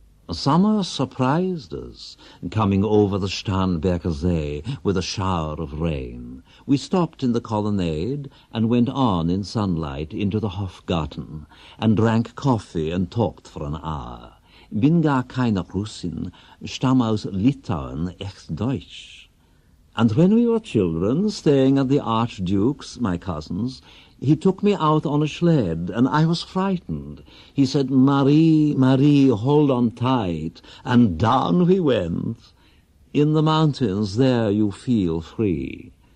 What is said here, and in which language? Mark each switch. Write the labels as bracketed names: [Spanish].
[English] Summer surprised us, coming over the Starnberger See with a shower of rain. We stopped in the colonnade and went on in sunlight into the Hofgarten and drank coffee and talked for an hour. [German] Bin gar keine Russin, stamm aus Litauen, echt Deutsch. [English] And when we were children, staying at the Archduke's, my cousin's, he took me out on a sled, and I was frightened. He said, Marie, Marie, hold on tight. And down we went. In the mountains, there you feel free.